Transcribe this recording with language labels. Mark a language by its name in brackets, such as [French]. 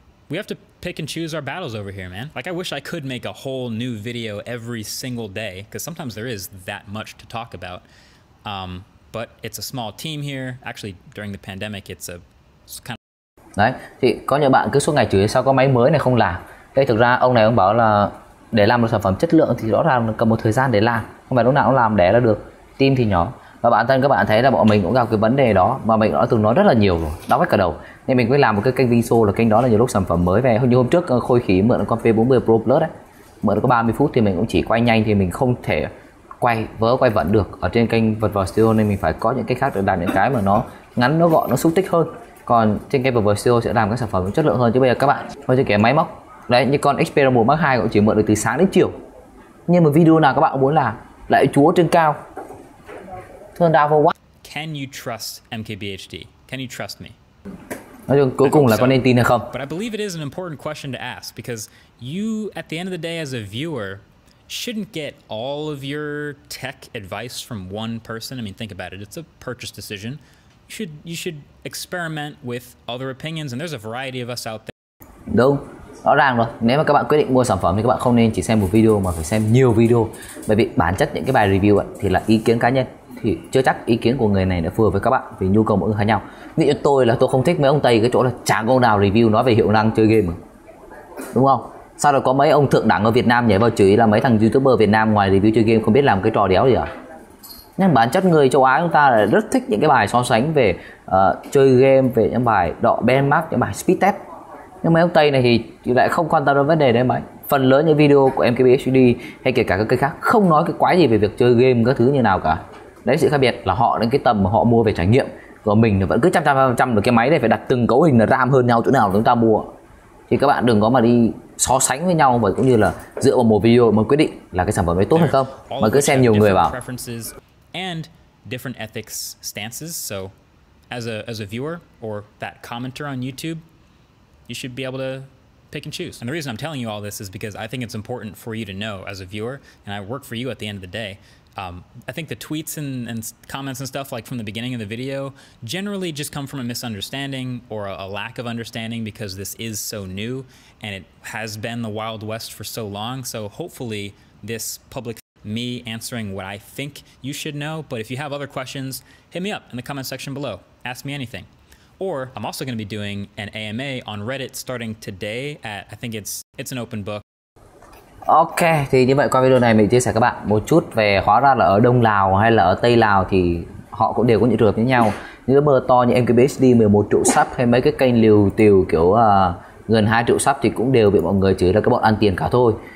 [English] We have to pick and choose our battles over here, man. Like, I wish I could make a whole new video every single day, because sometimes there is that much to talk about. But it's a small team here. Actually, during the pandemic, it's kind of... [Vietnamese] Đấy, thì có nhiều bạn cứ suốt ngày chửi sao có máy mới này không làm. Thế thực ra ông này ông bảo là để làm một sản phẩm chất lượng thì rõ ràng cần một thời gian để làm. Không phải lúc nào cũng làm để ra được. Team thì nhỏ. Và bản thân các bạn thấy là bọn mình cũng gặp cái vấn đề đó, mà mình đã từng nói rất là nhiều rồi, đau hết cả đầu. Nên mình mới làm một cái kênh Vinso, là kênh đó là nhiều lúc sản phẩm mới về. Như hôm trước Khôi Khí mượn con P40 Pro Plus ấy, mượn có 30 phút thì mình cũng chỉ quay nhanh, thì mình không thể quay vớ quay vẫn được ở trên kênh Vật Vờ Studio, nên mình phải có những cái khác để làm những cái mà nó ngắn, nó gọn, nó xúc tích hơn. Còn trên kênh Vật Vờ Studio sẽ làm các sản phẩm chất lượng hơn. Chứ bây giờ các bạn thôi, chưa kể máy móc đấy, như con Xperia 1 Mark 2 cũng chỉ mượn được từ sáng đến chiều, nhưng mà video nào các bạn muốn làm lại chúa trên cao. Thương đau vô quá. [English] Can you trust MKBHD? Can you trust me? [Vietnamese] Nói chung cuối cùng là có nên tin hay không? [English] But I believe it is an important question to ask, because you, at the end of the day, as a viewer, shouldn't get all of your tech advice from one person. I mean, think about it. It's a purchase decision. You should experiment with other opinions, and there's a variety of us out there. [Vietnamese] Đúng. Rõ ràng rồi. Nếu mà các bạn quyết định mua sản phẩm thì các bạn không nên chỉ xem một video mà phải xem nhiều video. Bởi vì bản chất những cái bài review ấy, thì là ý kiến cá nhân. Thì chưa chắc ý kiến của người này đã phù hợp với các bạn vì nhu cầu mỗi người khác nhau. Ví dụ tôi là tôi không thích mấy ông Tây cái chỗ là chẳng ông nào review nói về hiệu năng chơi game mà. Đúng không? Sau đó có mấy ông thượng đẳng ở Việt Nam nhảy vào chửi là mấy thằng YouTuber Việt Nam ngoài review chơi game không biết làm cái trò đéo gì à? Nhưng bản chất người châu Á chúng ta là rất thích những cái bài so sánh về chơi game, về những bài đọ benchmark, những bài speed test. Nhưng mấy ông Tây này thì lại không quan tâm đến vấn đề đấy mấy. Phần lớn những video của MKBHD hay kể cả các kênh khác không nói cái quái gì về việc chơi game các thứ như nào cả. Đấy, sự khác biệt là họ đến cái tầm mà họ mua về trải nghiệm. Còn mình thì vẫn cứ 100% được cái máy này phải đặt từng cấu hình là RAM hơn nhau chỗ nào chúng ta mua. Thì các bạn đừng có mà đi so sánh với nhau, và cũng như là dựa vào một video mà quyết định là cái sản phẩm ấy tốt hay không, mà cứ xem nhiều người vào. [English] And different ethics stances. So as a viewer or that commenter on YouTube, you should be able to pick and choose. And the reason I'm telling you all this is because I think it's important for you to know as a viewer, and I work for you at the end of the day. I think the tweets and comments and stuff like from the beginning of the video generally just come from a misunderstanding or a lack of understanding, because this is so new and it has been the Wild West for so long. So hopefully this public me answering what I think you should know. But if you have other questions, hit me up in the comment section below. Ask me anything. Or I'm also going to be doing an AMA on Reddit starting today at, I think it's an open book. [Vietnamese] Ok, thì như vậy qua video này mình chia sẻ các bạn một chút về, hóa ra là ở Đông Lào hay là ở Tây Lào thì họ cũng đều có những trường hợp với nhau. Những cái bơ to như MKBHD 11 triệu sub hay mấy cái kênh liều tiều kiểu gần 2 triệu sub thì cũng đều bị mọi người chửi là các bọn ăn tiền cả thôi.